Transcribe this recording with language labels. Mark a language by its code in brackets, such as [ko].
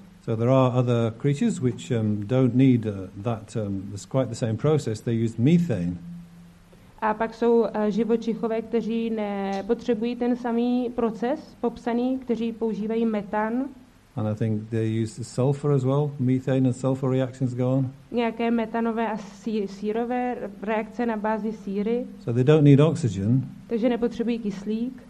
[en] So there are other creatures which don't need that. It's quite the same process. They use methane. [cs] A pak jsou živočichové, kteří nepotřebují ten samý proces popsaný, kteří používají metan. [en] And I think they use the sulfur as well. Methane and sulfur reactions go on. [cs] Nějaké metanové a sírové reakce na bázi síry. [en] So they don't need oxygen. [cs] Takže nepotřebují kyslík.